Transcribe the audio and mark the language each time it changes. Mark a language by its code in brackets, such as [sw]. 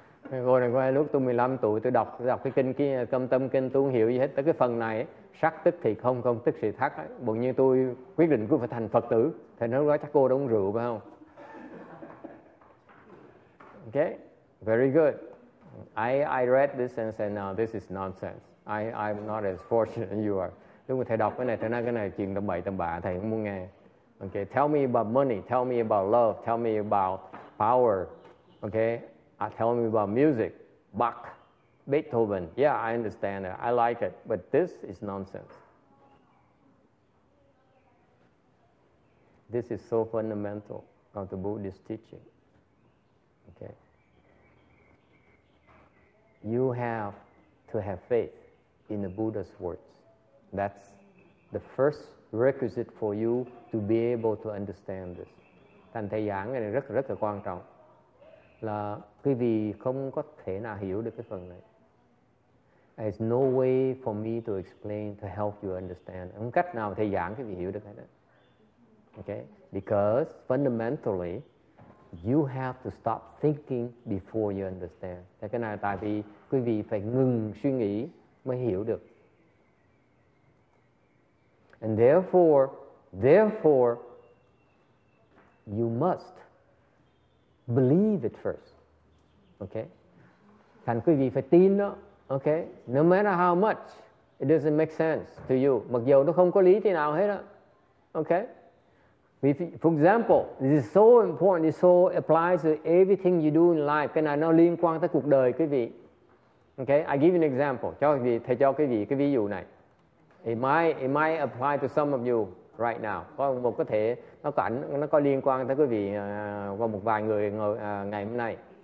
[vi] Rồi này qua lúc tôi 15 tuổi tôi đọc cái kinh kia, tâm tâm kinh, tôi không hiểu gì hết. Tới cái phần này sắc tức thì không tức thì thắc, bỗng nhiên tôi quyết định cứ phải thành Phật tử. Thầy nói đó chắc cô đã uống rượu phải không? [en] Okay, very good. I read this and said, no, this is nonsense. I'm not as fortunate as you are. [vi] Lúc mà thầy đọc cái này, thầy nói cái này chuyện tầm bậy tầm bạ, thầy không muốn nghe. [en] Okay, tell me about money, tell me about love, tell me about power. Okay. Tell me about music, Bach, Beethoven. Yeah, I understand it. I like it. But this is nonsense. This is so fundamental of the Buddhist teaching. Okay. You have to have faith in the Buddha's words. That's the first requisite for you to be able to understand this. [vi] Thành thầy giảng này rất rất là quan trọng. Là quý vị không có thể nào hiểu được cái phần này. [en] There's no way for me to explain to help you understand. [vi] Không cách nào thầy giảng quý vị hiểu được hết đó. [en] Okay? Because fundamentally, you have to stop thinking before you understand. [vi] Thế cái này tại vì quý vị phải ngừng suy nghĩ mới hiểu được. [en] And therefore, you must believe it first. Okay? [vi] Thành quý vị phải tin đó. Okay? [en] No matter how much, it doesn't make sense to you. [vi] Mặc dù nó không có lý thế nào hết đó. [en] Okay? For example, this is so important, this so applies to everything you do in life. [vi] Cái này nó liên quan tới cuộc đời quý vị. Okay? [en] I give an example. [vi] Thầy cho quý vị cái ví dụ này. [en] It might apply to some of you right now. [vi] Có thể nó có liên quan tới quý vị qua một vài người ngày hôm nay.